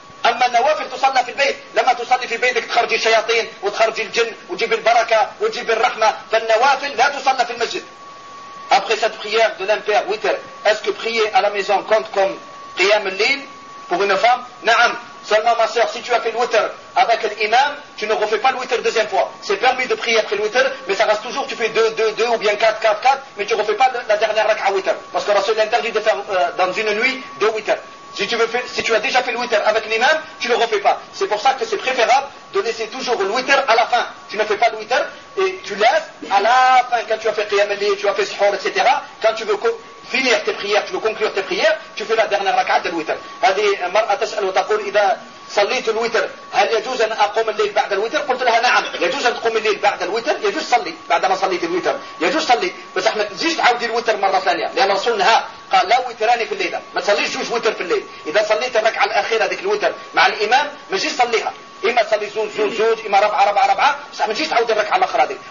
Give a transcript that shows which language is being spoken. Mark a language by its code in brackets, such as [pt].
[ar] أما النوافل تصلى في البيت لما تصلي في بيتك تخرج الشياطين وتخرج الجن وتجيب البركة وتجيب الرحمة فالنوافل لا تصلى في المسجد. [fr] Après cette prière de l'imper witr, est-ce que prier à la maison compte comme قيام الليل pour une femme? [ar] نعم. [fr] Seulement ma soeur, si tu as fait le witr avec l'imam, tu ne refais pas le witr deuxième fois. C'est permis de prier après le witr, mais ça reste toujours, tu fais 2-2-2 ou bien 4-4-4, mais tu ne refais pas la dernière rak'a witr. Parce que Rasoul interdit de faire dans une nuit 2 witr. Si tu veux faire, si tu as déjà fait le witr avec l'imam, tu ne le refais pas. C'est pour ça que c'est préférable de laisser toujours le witr à la fin. Tu ne fais pas le witr et tu laisses à la fin quand tu as fait qiyam al-layl, tu as fait suhoor, etc. Quand tu veux finir tes prières, tu veux conclure tes prières, tu fais la dernière rak'a de witr. [ar] هذه مرأة تسأل وتقول إذا صليت الوتر هل يجوز أن أقوم الليل بعد الوتر؟ قلت لها نعم يجوز أن تقوم الليل بعد الوتر، يجوز صلي بعدما صليت الوتر، يجوز صلي، بس احنا زيش عودي الوتر مرة ثانية لأن الرسول نهى قال لا وتران في الليلة، ما تصليش جوج وتر في الليل. إذا صليت الركعة الأخيرة ذيك الوتر مع الإمام ما تجيش صليها، إما تصلي زوج زوج زوج، إما ربعة ربعة ربعة، بس ما تجيش تعود الركعة الأخرى ذيك.